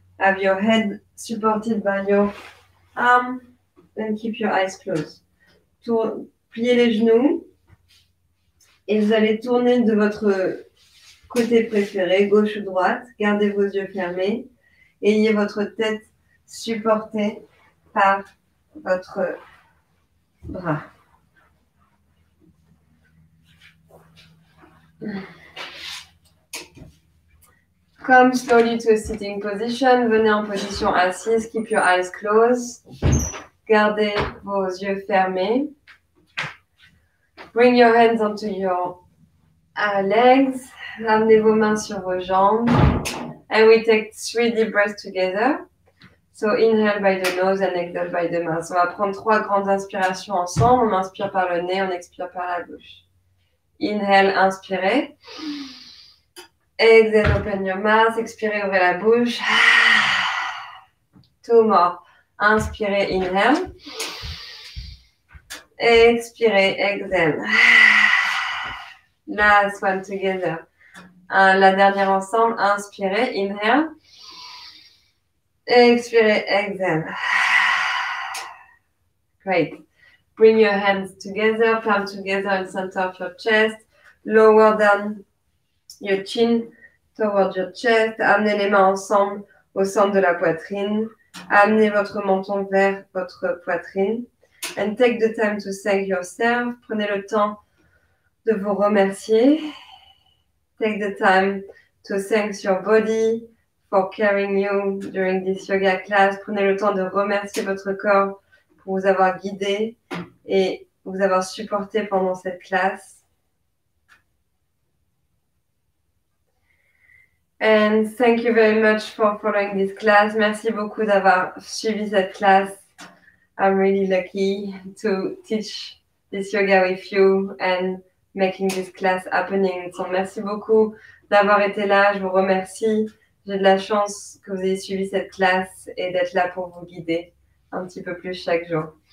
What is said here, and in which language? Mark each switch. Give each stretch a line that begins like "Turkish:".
English: Have your head supported by your arm, and keep your eyes closed.
French: Pliez les genoux, et vous allez tourner de votre côté préféré, gauche ou droite. Gardez vos yeux fermés. Ayez votre tête supportée par votre bras.
English: Come slowly to a sitting position.
French: Venez en position assise.
English: Keep your eyes closed.
French: Gardez vos yeux fermés.
English: Bring your hands onto your legs.
French: Ramenez vos mains sur vos jambes.
English: And we take three deep breaths together. So inhale by the nose and exhale by the mouth.
French: On va prendre trois grandes inspirations ensemble. On inspire par le nez, on expire par la bouche.
English: Inhale,
French: inspirez.
English: Exhale, open your mouth.
French: Expirez, ouvrez la bouche.
English: Two more.
French: Inspirez,
English: inhale.
French: Expirez,
English: exhale. Last one together.
French: La dernière ensemble. Inspirez,
English: inhale.
French: Expirez,
English: exhale. Great. Bring your hands together, palm together in center of your chest. Lower down your chin toward your chest.
French: Amenez les mains ensemble au centre de la poitrine. Amenez votre menton vers votre poitrine.
English: And take the time to thank yourself.
French: Prenez le temps de vous remercier.
English: Take the time to thank your body for carrying you during this yoga class.
French: Prenez le temps de remercier votre corps pour vous avoir guidé et vous avoir supporté pendant cette classe.
English: And thank you very much for following this class.
French: Merci beaucoup d'avoir suivi cette classe.
English: I'm really lucky to teach this yoga with you and making this class happening.
French: So, merci beaucoup d'avoir été là. Je vous remercie. J'ai de la chance que vous ayez suivi cette classe et d'être là pour vous guider un petit peu plus chaque jour.